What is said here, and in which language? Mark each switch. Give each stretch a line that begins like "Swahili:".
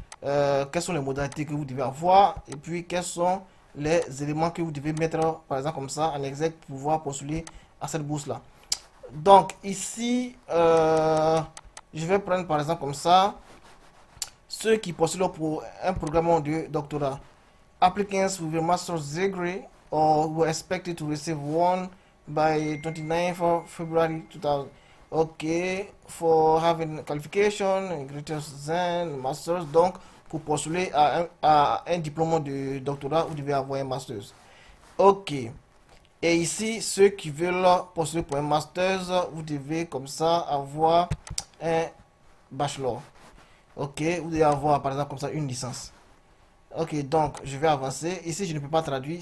French: Quelles sont les modalités que vous devez avoir et puis quels sont les éléments que vous devez mettre, par exemple, comme ça, en exergue pour pouvoir postuler à cette bourse-là. Donc, ici, je vais prendre, par exemple, comme ça. Ceux qui postulent pour un programme de doctorat.
English: Applicants with a master's degree or were expected to receive one by 29 February 2000. Ok, for having qualification, greatest than master's.
French: Donc, pour postuler à un diplôme de doctorat, vous devez avoir un master's. Ok. Et ici, ceux qui veulent postuler pour un master's, vous devez comme ça avoir un bachelor. Ok, vous devez avoir par exemple comme ça une licence. Ok, donc je vais avancer. Ici, je ne peux pas traduire.